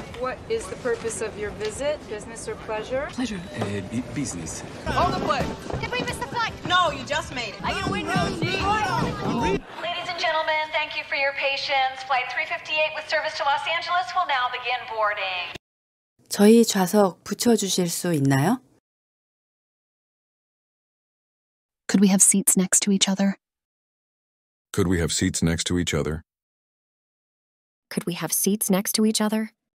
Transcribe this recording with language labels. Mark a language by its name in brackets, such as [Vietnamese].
[English] What is the purpose of your visit? Business or pleasure? Pleasure. Business. Hold the plane. Did we miss the flight? No, you just made it. I get a window seat. Ladies and gentlemen, thank you for your patience. Flight 358 with service to Los Angeles will now begin boarding. [Korean] 저희 좌석 붙여주실 수 있나요? [English] Could we have seats next to each other? Could we have seats next to each other? Could we have seats next to each other?